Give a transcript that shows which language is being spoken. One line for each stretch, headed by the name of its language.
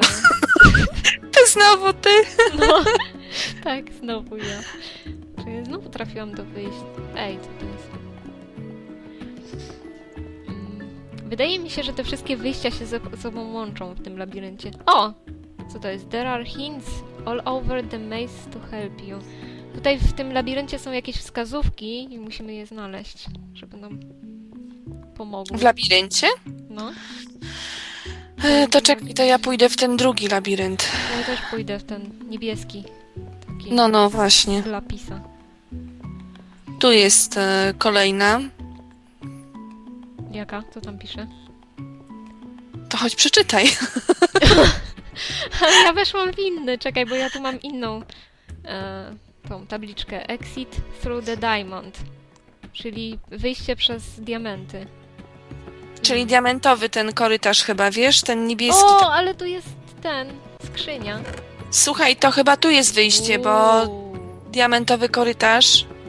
Polish: O! To znowu ty! No, tak, znowu ja. Czyli znowu trafiłam do wyjścia. Ej, co to jest? Wydaje mi się, że te wszystkie wyjścia się ze sobą łączą w tym labiryncie. O! Co to jest?
English: There are hints all over the maze to help you.
Polish: Tutaj w tym labiryncie są jakieś wskazówki i musimy je znaleźć, żeby nam pomogły. W labiryncie? No. To czekaj, to ja pójdę w ten drugi labirynt. Ja też pójdę w ten niebieski. Taki no, no, właśnie. Z lapisa. Tu jest kolejna. Jaka? Co tam pisze? To chodź przeczytaj. Ale ja weszłam w inny. Czekaj, bo ja tu mam inną tą tabliczkę.
English: Exit through the diamond.
Polish: Czyli wyjście przez diamenty. Czyli diamentowy ten korytarz chyba, wiesz? Ten niebieski. O, ale tu jest ten. Skrzynia. Słuchaj, to chyba tu jest wyjście, bo diamentowy korytarz.